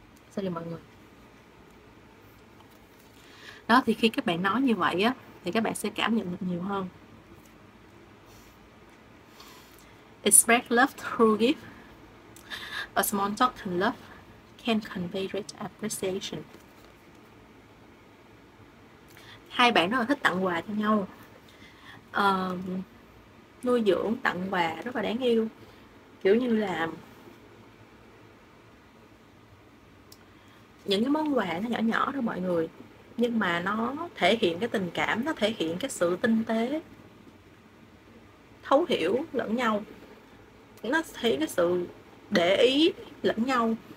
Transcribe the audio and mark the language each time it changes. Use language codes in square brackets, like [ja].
[vi] Xin mọi người. Đó thì khi các bạn nói như vậy á thì các bạn sẽ cảm nhận được nhiều hơn. [en] Express love through gift. A small talk and love can convey great appreciation. [vi] Hai bạn rất là thích tặng quà cho nhau. Nuôi dưỡng tặng quà rất là đáng yêu. Kiểu như là những cái món quà nó nhỏ nhỏ thôi mọi người, nhưng mà nó thể hiện cái tình cảm, nó thể hiện cái sự tinh tế, thấu hiểu lẫn nhau, nó thấy cái sự để ý lẫn nhau.